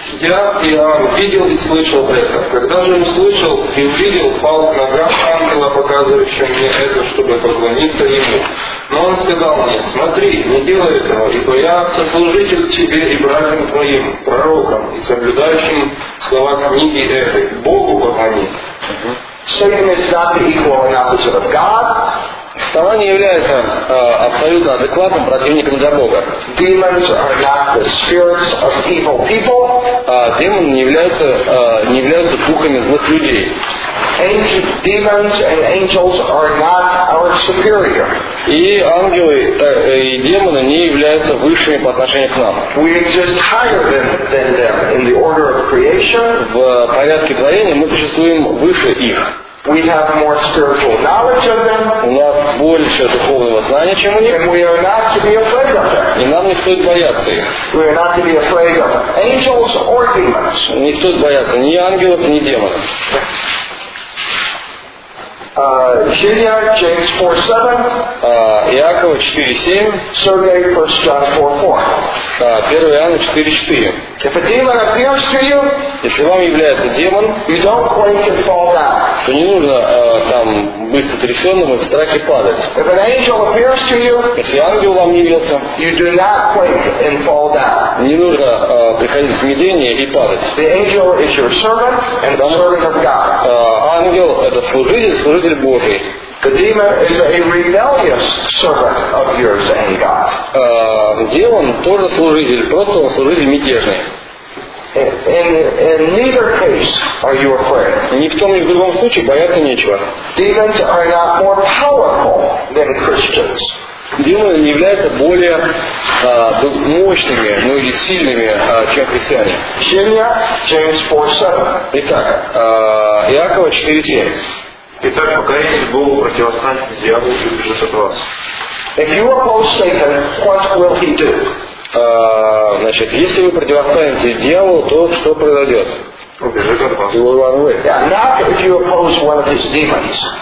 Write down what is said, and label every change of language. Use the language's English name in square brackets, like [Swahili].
[Russian] Я, Иоанн, видел и слышал это. Когда же услышал и увидел, пал к ногам ангела, показывающего мне это, чтобы поклониться ему. Но он сказал мне, смотри, не делай этого, ибо я сослужитель тебе и братьям твоим, пророкам и соблюдающим слова книги этой. Богу поклонись. [English] Satan is not the equal and opposite of God. [Russian] Сатана не является абсолютно адекватным противником для Бога. [English] Demons are not the spirits of evil people. [Russian] Демоны не являются духами злых людей. [English] Demons and angels are not our superior. [Russian] И ангелы и демоны не являются высшими по отношению к нам. [English] We exist higher than them in the order of creation. [Russian] В порядке творения мы существуем выше их. [English] We have more spiritual knowledge of them. [Russian] У нас больше духовного знания, чем у них. [English] And we are not to be afraid of them. [Russian] И нам не стоит бояться их. [English] We are not to be afraid of angels or demons. [Russian] Не стоит бояться ни ангелов, ни демонов. [English] James 4:7. [Russian] Иакова 4:7. [English] Sergey 1 John 4:4. [Russian] 1 Иоанна 4:4. [English] If a demon appears to you, [Russian] если вам является демон, [English] you don't quake and fall down. [Russian] То не нужно там быть сотрясенным и в страхе падать. [English] If an angel appears to you, [Russian] если ангел вам явился, [English] you do not quake and fall down. [Russian] Не нужно приходить в смятение и падать. [English] The angel is your servant and the servant of God. [Russian] Ангел это служитель, служитель Божий. [English] The demon is a rebellious servant of yours and God. [Russian] Демон тоже служитель, просто он служитель мятежный. [English] In neither case are you afraid. [Russian] Ни в том, ни в другом случае бояться нечего. [English] Demons are not more powerful than Christians. [Russian] Демоны не являются более мощными, ну или сильными, чем христиане. [English] James 4:7. [Russian] Итак, Иакова 4:7. Итак, покоритесь Богу, противостаньте дьяволу и убежит от вас. [English] If you oppose Satan, what will he do? [Russian] Значит, если вы противостанете дьяволу, то что произойдет? Убежит от вас. [English] he will run away. Yeah, not if you oppose one of his demons.